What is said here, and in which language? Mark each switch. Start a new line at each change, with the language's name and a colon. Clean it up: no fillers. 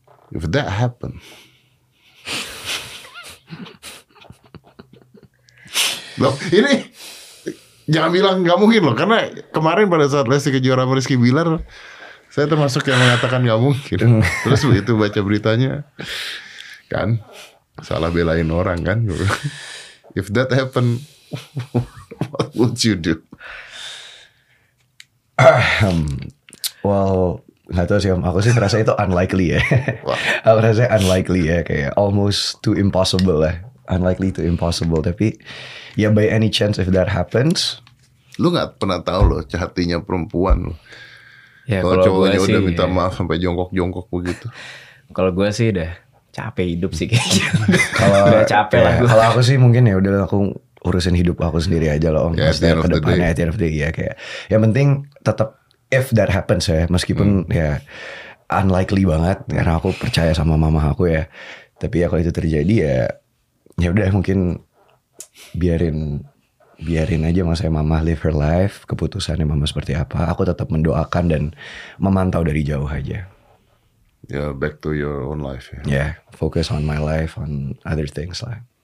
English: Okay. If that happen,
Indonesian: loh ini jangan bilang nggak mungkin loh, karena kemarin pada saat Lesti Kejora sama Rizky Billar, saya termasuk yang mengatakan nggak mungkin. Terus begitu baca beritanya. Kan salah belain orang kan.
English: If that happen, what would you do? Well,
Indonesian: nggak tahu sih, aku sih merasa itu unlikely ya. Aku merasa unlikely ya, kayak
English: almost too impossible
Indonesian: lah.
English: Unlikely to impossible,
Indonesian: tapi ya
English: by any chance if that happens,
Indonesian: lu nggak pernah tahu loh hatinya perempuan lo. Ya, kalau cowoknya udah sih, minta maaf sampai jongkok-jongkok begitu. Kalau gue sih deh. Capek hidup sih kayaknya. Kalau aku sih mungkin ya udah aku urusin hidup aku sendiri aja loh. Om.
English: Yeah, at the end of the day. At the end of the day,
Indonesian: ya kayak. Yang penting tetap
English: if that happens
Indonesian: ya. Meskipun ya unlikely banget. Karena aku percaya sama mama aku ya. Tapi ya kalau itu terjadi ya. Ya udah mungkin biarin aja masa mama
English: live her life.
Indonesian: Keputusannya mama seperti apa. Aku tetap mendoakan dan memantau dari jauh aja.
English: Yeah, back to your own life. Yeah. Yeah, focus on my life, on other things
Indonesian: lah.